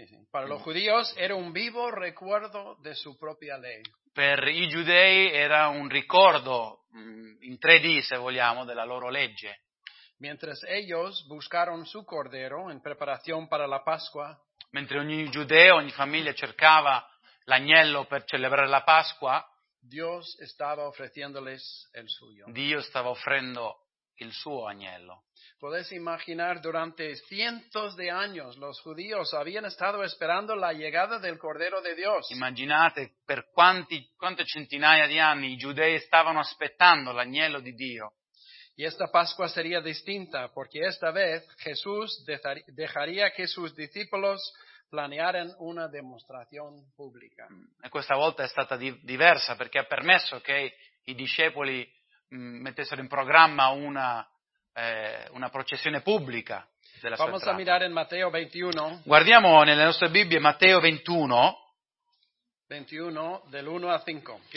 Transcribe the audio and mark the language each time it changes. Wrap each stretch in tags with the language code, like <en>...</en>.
<es>Para los judíos era un vivo recuerdo de su propia ley.</es> <it>Per i giudei era un ricordo in 3D, se vogliamo, della loro legge.</it> <es>Mientras ellos buscaron su cordero en preparación para la Pascua,</es> <it>mentre ogni giudeo, ogni famiglia cercava l'agnello per celebrare la Pasqua,</it> <es>Dios estaba ofreciéndoles el suyo.</es> <it>Dio stava offrendo il suo agnello.</it> <es>Puedes imaginar durante cientos de años los judíos habían estado esperando la llegada del Cordero de Dios.</es> <it>Immaginate per quante centinaia di anni i giudei stavano aspettando l'agnello di Dio.</it> <es>Y esta Pascua sería distinta porque esta vez Jesús dejaría que sus discípulos planearan una demostración pública.</es> <it>E questa volta è stata diversa perché ha permesso che i discepoli mettessero in programma una processione pubblica della</it> <es>Vamos</es> <it>sua</it> <es>a mirar en Mateo 21.</es> <it>Guardiamo nelle nostre Bibbie Matteo 21.</it> <es>21 del 1 al 5.</es>